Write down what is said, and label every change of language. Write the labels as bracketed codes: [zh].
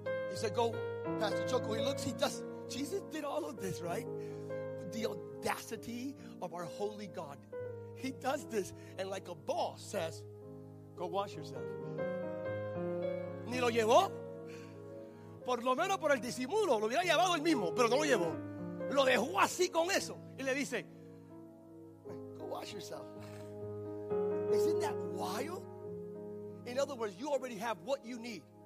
[en] He said, go, Pastor Choco. He looks, Jesus did all of this, right? The audacity of our holy God. He does this, and like a boss says, go wash yourself. [es] Ni lo llevó. Por lo menos por el disimulo, lo hubiera llevado el mismo, pero no lo llevó. Lo dejó así con eso. Y le dice, [en] go wash yourself. Isn't that wild? In other words, you already have what you need.